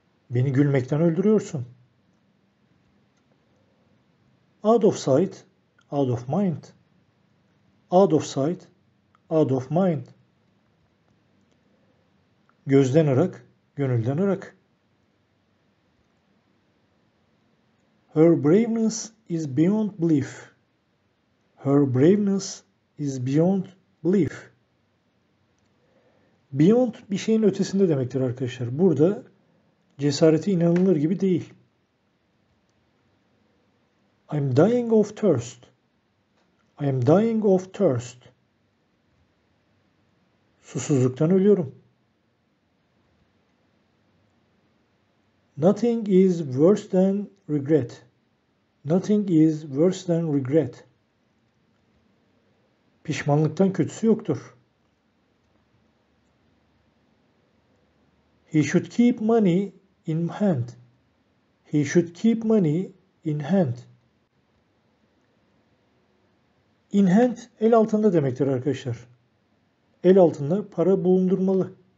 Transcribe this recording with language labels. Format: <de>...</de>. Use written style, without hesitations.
<tr>Beni gülmekten öldürüyorsun.</tr> <en>Out of sight, out of mind. Out of sight, out of mind.</en> <tr>Gözden ırak, gönülden ırak.</tr> <en>Her braveness is beyond belief. Her braveness is beyond belief.</en> <tr>Beyond bir şeyin ötesinde demektir arkadaşlar. Burada cesareti inanılır gibi değil.</tr> <en>I'm dying of thirst. I'm dying of thirst.</en> <tr>Susuzluktan ölüyorum.</tr> <en>Nothing is worse than regret. Nothing is worse than regret.</en> <tr>Pişmanlıktan kötüsü yoktur.</tr> <en>He should keep money in hand. He should keep money in hand. In hand</en> <tr>el altında demektir arkadaşlar. El altında para bulundurmalı.</tr>